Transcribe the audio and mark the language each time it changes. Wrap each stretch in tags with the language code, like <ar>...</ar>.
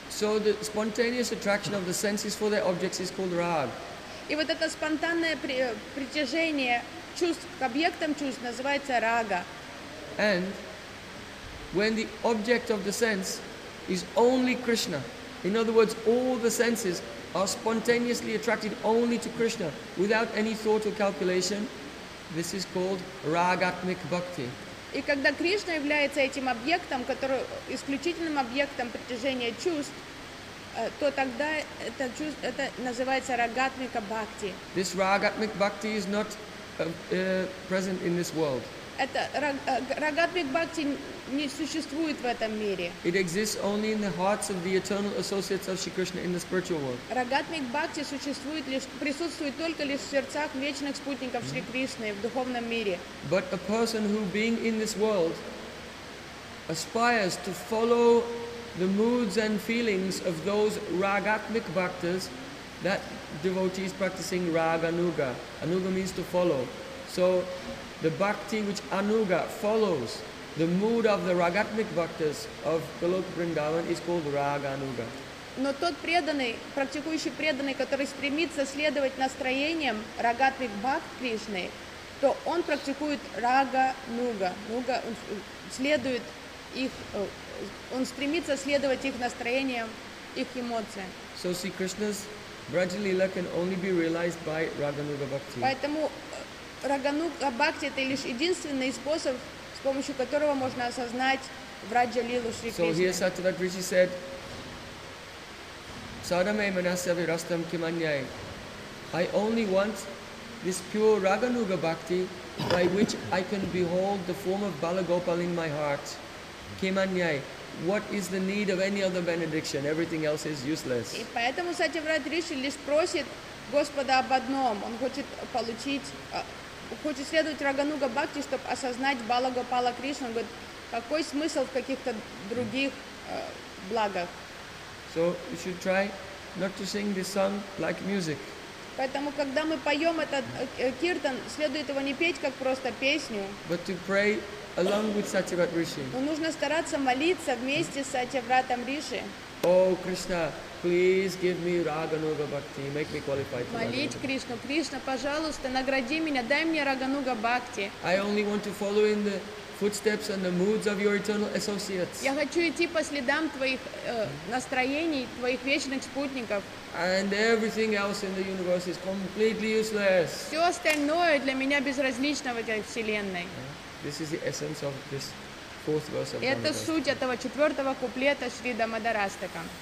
<en>So the spontaneous attraction of the senses for their objects is called raag.</en> <ru>И вот это спонтанное притяжение чувств к объектам чувств называется рага.</ru> <en>And when the object of the sense is only Krishna, in other words, all the senses are spontaneously attracted only to Krishna without any thought or calculation, this is called ragatmik bhakti.</en> <ru>И когда Кришна является этим объектом, который исключительным объектом притяжения чувств, то тогда это чувство, это называется рагатмика бхакти.</ru> <en>This рагатмик бхакти is not present in this world.</en> <ru>Это рагатмик бхакти не существует в этом мире.</ru> <en>It exists only in the hearts of the eternal associates of Shri Krishna in the spiritual world.</en> <ru>Рагатмик бхакти существует лишь, присутствует только лишь в сердцах вечных спутников Шри Кришны в духовном мире.</ru> <en>But a person who, being in this world, aspires to follow the moods and feelings of those рагатмик бхактис, that devotee is practicing рага нуга. Anuga means to follow. So the bhakti which anuga follows the mood of the ragatmik bhaktas of Goloka Vrindavan is called raga anuga.</en> <ru>Но тот преданный, практикующий преданный, который стремится следовать настроениям рагатмик бхакт Кришны, то он практикует рага нуга. Нуга, он следует их, он стремится следовать их настроениям, их эмоциям.</ru> <en>So see, Krishna's Vrajalila can only be realized by raga nuga bhakti.</en> <ru>Поэтому рагануга бхакти — это лишь единственный способ, с помощью которого можно осознать Враджа-лилу Шри Кришны.</ru> <en>So here Satyavad Rishi said,</en> <sa>Sadame manasya virastam kimanyai.</sa> <en>I only want this pure Raganuga Bhakti by which I can behold the form of Balagopal in my heart. Kimanyai. What is the need of any other benediction? Everything else is useless.</en> <ru>И поэтому Satyavad Rishi лишь просит Господа об одном. Он хочет получить... Хочет следовать Рагануга Бхакти, чтобы осознать Балагопала Кришну. Он говорит, какой смысл в каких-то других благах?</ru> <en>So you should try not to sing this song like music.</en> <ru>Поэтому, когда мы поем этот киртан, следует его не петь как просто песню.</ru> <en>But to pray along with Satyavrata Rishi.</en> <ru>Но нужно стараться молиться вместе с Сатьявратом Риши.</ru> <en>О, Кришна, please give me Рагануга Бхакти, make me qualified.</en> <ru>Молить Кришну, Кришна, пожалуйста, награди меня, дай мне Рагануга Бхакти.</ru> <en>I only want to follow in the footsteps and the moods of your eternal associates.</en> <ru>Я хочу идти по следам твоих настроений, твоих вечных спутников.</ru> <en>And everything else in the universe is completely useless.</en> <ru>Все остальное для меня безразлично в этой вселенной.</ru> <en>This is the essence of this fourth verse of Дамодарастака.</en> <ru>Это суть этого четвертого куплета Шри Дамодарастака.</ru>